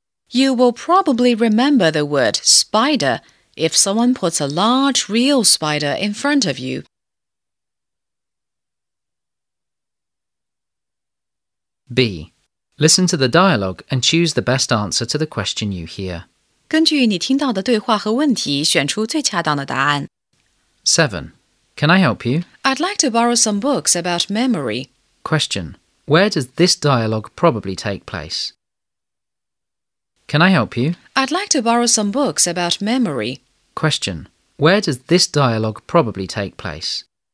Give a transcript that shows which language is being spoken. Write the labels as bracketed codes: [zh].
[en] You will probably remember the word spider. If someone puts a large real spider in front of you. 2. Listen to the dialogue and choose the best answer to the question you hear. [zh] 根据你听到的对话和问题选出最恰当的答案。 [en] 7. Can I help you? I'd like to borrow some books about memory. Question. Where does this dialogue probably take place? Can I help you? I'd like to borrow some books about memory. Question. Where does this dialogue probably take place?